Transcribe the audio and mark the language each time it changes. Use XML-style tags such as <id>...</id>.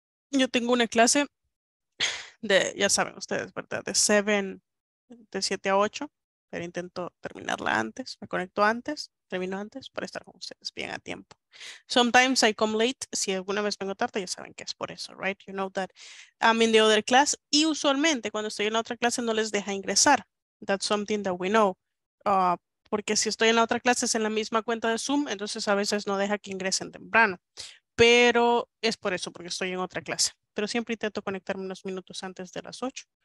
<es>Yo tengo una clase de, ya saben ustedes, ¿verdad? De 7, de 7 a 8, pero intento terminarla antes, me conecto antes. Termino antes para estar con ustedes bien a tiempo.</es> <en>Sometimes I come late.</en> <es>Si alguna vez vengo tarde, ya saben que es por eso, right?</es> <en>You know that I'm in the other class.</en> <es>Y usualmente cuando estoy en la otra clase no les deja ingresar.</es> <en>That's something that we know.</en> <es>Porque si estoy en la otra clase es en la misma cuenta de Zoom, entonces a veces no deja que ingresen temprano. Pero es por eso, porque estoy en otra clase. Pero siempre intento conectarme unos minutos antes de las 8.</es>